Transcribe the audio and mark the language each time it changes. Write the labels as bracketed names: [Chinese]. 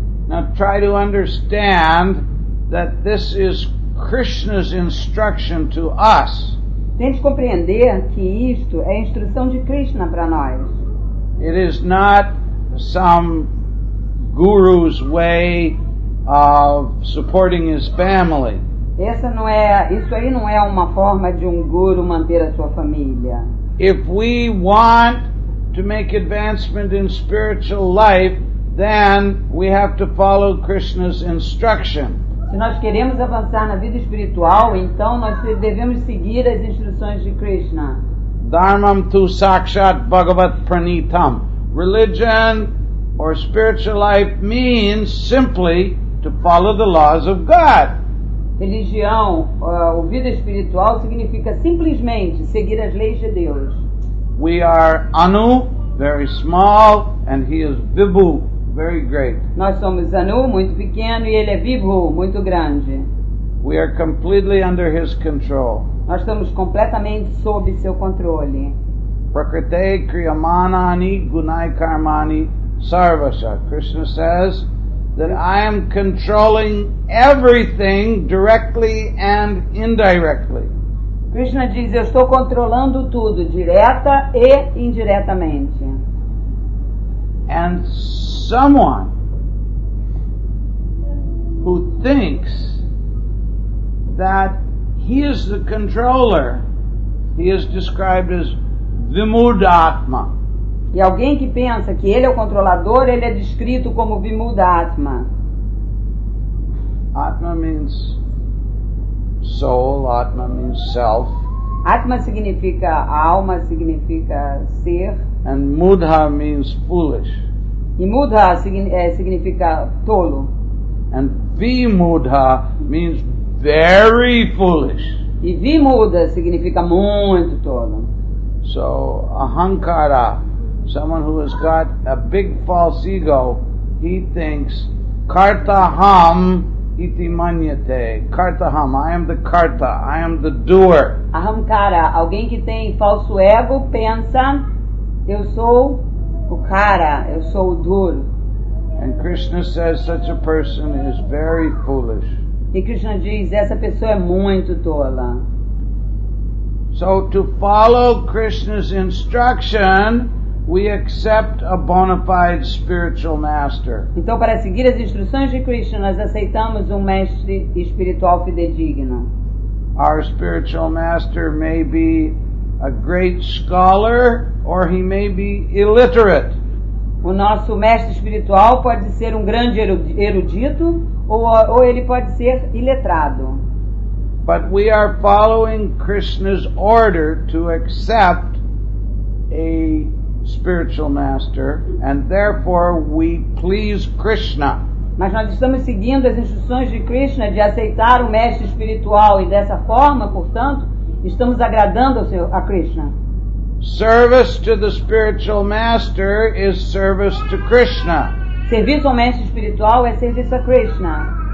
[English] Now try to understand that this is Krishna's instruction to us. [Portuguese] Tente compreender que isto é a instrução de Krishna para nós. [English] It is not some guru's way of supporting his family. [Portuguese] Isso aí não é uma forma de guru manter a sua família. [English] If we want to make advancement in spiritual life, then we have to follow Krishna's instruction. [Portuguese] Se nós queremos avançar na vida espiritual, então nós devemos seguir as instruções de Krishna. [Sanskrit] Dharmam tu sakshat bhagavat pranitam. [English] Religion or spiritual life means simply to follow the laws of God. [Portuguese] Religião ou vida espiritual significa simplesmente seguir as leis de Deus. [English] We are Anu, very small, and he is Vibhu. Very great. [Portuguese] Nós somos Anu, muito pequeno, e ele é Vibhu, muito grande. [English] We are completely under his control. [Portuguese] Nós estamos completamente sob seu controle. [Sanskrit] Prakrite kriyamanani gunai karmani sarvasha. [English] Krishna says that I am controlling everything directly and indirectly. [Portuguese] Krishna diz, eu estou controlando tudo, direta e indiretamente. [English] And someone who thinks that he is the controller, he is described as vimudatma. [Portuguese] E alguém que pensa que ele é o controlador, ele é descrito como vimudatma. [English] Atma means soul, atma means self. [Portuguese] Atma significa alma, significa ser. [English] And mudha means foolish. [Portuguese] E mudha significa tolo. [English] And vimudha means very foolish. [Portuguese] E vimudha significa muito tolo. [English] So, ahankara, someone who has got a big false ego, he thinks, [Sanskrit] kartaham iti manyate. [English] Kartaham, I am the karta, I am the doer. [Portuguese] Ahankara, alguém que tem falso ego, pensa, eu sou o cara, eu sou o duro. [English] And Krishna says such a person is very foolish. [Portuguese] E Krishna diz, essa pessoa é muito tola. [English] So to follow Krishna's instruction, we accept a bona fide spiritual master. [Portuguese] Então para seguir as instruções de Krishna, nós aceitamos mestre espiritual fidedigno. [English] Our spiritual master may be a great scholar, or he may be illiterate. [Portuguese] O nosso mestre espiritual pode ser grande erudito, ou ele pode ser iletrado. [English] But we are following Krishna's order to accept a spiritual master, and therefore we please Krishna. [Portuguese] Mas nós estamos seguindo as instruções de Krishna de aceitar mestre espiritual, e dessa forma, portanto, estamos agradando a Krishna. [English] Service to the spiritual master is service to Krishna. [Portuguese] Serviço ao mestre espiritual é serviço a Krishna.